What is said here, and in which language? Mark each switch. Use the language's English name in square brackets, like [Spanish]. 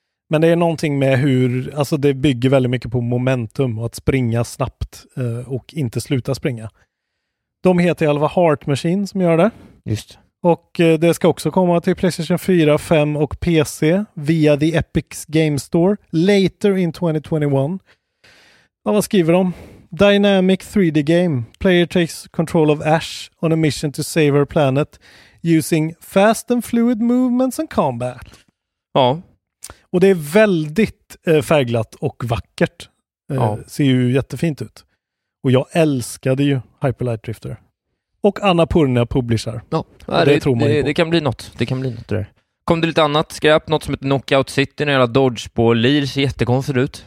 [Swedish] Men det är någonting med hur, alltså det bygger väldigt mycket på momentum och att springa snabbt och inte sluta springa. De heter i alla fall Heart Machine som gör det. Just. Och det ska också komma till PlayStation 4, 5 och PC via The Epic Game Store [English] later in 2021. [Swedish] Och vad skriver de? [English] Dynamic 3D game. Player takes control of Ash on a mission to save her planet using fast and fluid movements and combat. [Swedish] Ja. Och det är väldigt färgglatt och vackert. Ja. Ser ju jättefint ut. Och jag älskade ju Hyperlight Drifter. Och Annapurna publisher. Ja, det tror man. Det kan bli något. Det kan bli något där. Kom det lite annat skräp, något som heter Knockout City, en jävla dodge på Lir, ser jättekonstigt ut.